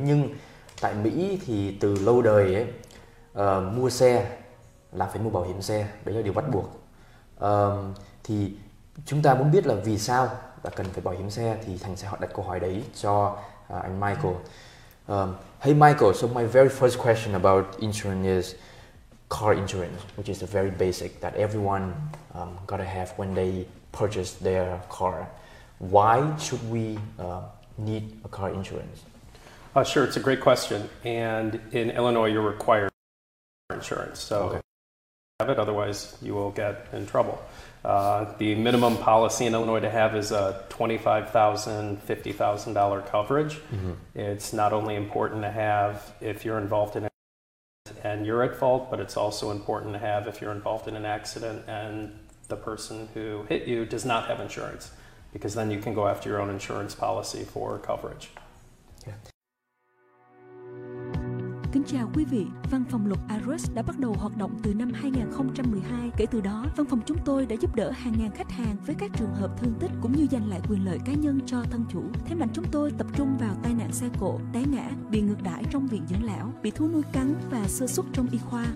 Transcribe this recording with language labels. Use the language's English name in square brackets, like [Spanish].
[Vietnamese] Nhưng tại Mỹ thì từ lâu đời ấy, mua xe là phải mua bảo hiểm xe, đấy là điều bắt buộc. Thì chúng ta muốn biết là vì sao là cần phải bảo hiểm xe, thì Thành sẽ đặt câu hỏi đấy cho anh Michael. [English] Hey Michael, so my very first question about insurance is car insurance, which is a very basic that everyone gotta have when they purchase their car. Why should we need a car insurance? Sure, it's a great question. And in Illinois, you're required car insurance. So okay. Have it, otherwise you will get in trouble. The minimum policy in Illinois to have is a $25,000, $50,000 coverage. Mm-hmm. It's not only important to have if you're involved in an accident and you're at fault, but it's also important to have if you're involved in an accident and the person who hit you does not have insurance, because then you can go after your own insurance policy for coverage. [Vietnamese] Kính chào quý vị, văn phòng luật Agruss đã bắt đầu hoạt động từ năm 2012. Kể từ đó, văn phòng chúng tôi đã giúp đỡ hàng ngàn khách hàng với các trường hợp thương tích cũng như giành lại quyền lợi cá nhân cho thân chủ. Thế mạnh chúng tôi tập trung vào tai nạn xe cộ, té ngã, bị ngược đãi trong viện dưỡng lão, bị thú nuôi cắn và sơ suất trong y khoa.